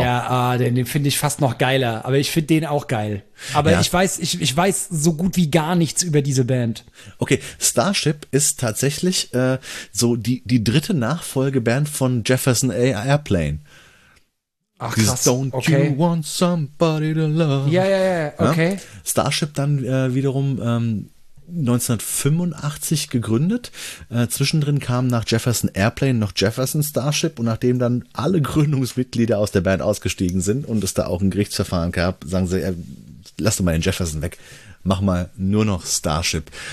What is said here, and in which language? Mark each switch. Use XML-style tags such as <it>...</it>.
<de>Ja, den finde ich fast noch geiler, aber ich finde den auch geil. Aber ja. Ich weiß so gut wie gar nichts über diese Band. Okay, Starship ist tatsächlich die dritte Nachfolgeband von Jefferson A. Airplane. Ach, krass.</de> <en>You want somebody to love?</en> <de>Ja, okay. Starship dann wiederum 1985 gegründet. Zwischendrin kamen nach Jefferson Airplane noch Jefferson Starship, und nachdem dann alle Gründungsmitglieder aus der Band ausgestiegen sind und es da auch ein Gerichtsverfahren gab, sagen sie, lass doch mal den Jefferson weg, mach mal nur noch Starship.</de>